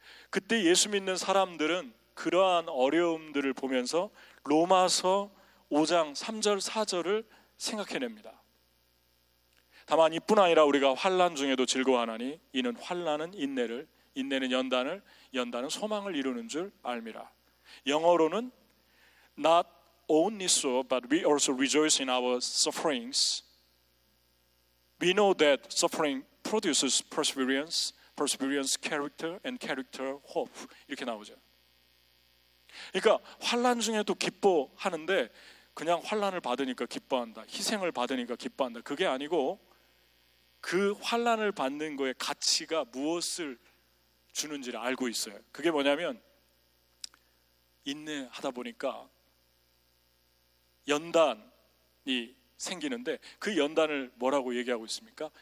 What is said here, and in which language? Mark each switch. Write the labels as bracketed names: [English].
[Korean] 그때 예수 믿는 사람들은 그러한 어려움들을 보면서 로마서 5장 3절 4절을 생각해냅니다. 다만 이뿐 아니라 우리가 환난 중에도 즐거워하나니 이는 환난은 인내를, 인내는 연단을, 연단은 소망을 이루는 줄 알미라. 영어로는 [English] Not only so, but we also rejoice in our sufferings. We know that suffering produces perseverance, perseverance character, and character hope. [Korean] 이렇게 나오죠. 그러니까 환난 중에도 기뻐하는데 그냥 환난을 받으니까 기뻐한다, 희생을 받으니까 기뻐한다, 그게 아니고 그 환난을 받는 거에 가치가 무엇을 주는지를 알고 있어요. 그게 뭐냐면 인내하다 보니까 연단이 생기는데 그 연단을 뭐라고 얘기하고 있습니까?